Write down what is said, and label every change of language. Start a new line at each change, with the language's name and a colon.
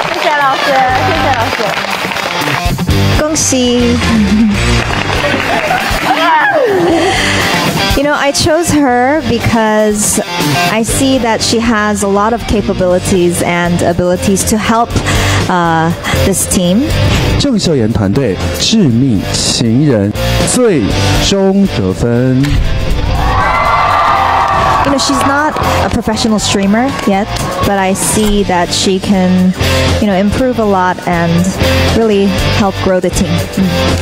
Chinese: 谢谢老师，谢谢老师。恭喜。
English: You know, I chose her because I see that she has a lot of capabilities and abilities to help this team.
Chinese: 郑秀妍团队致命情人最终得分。
English: You know, she's not a professional streamer yet, but I see that she can, you know, improve a lot and really help grow the team.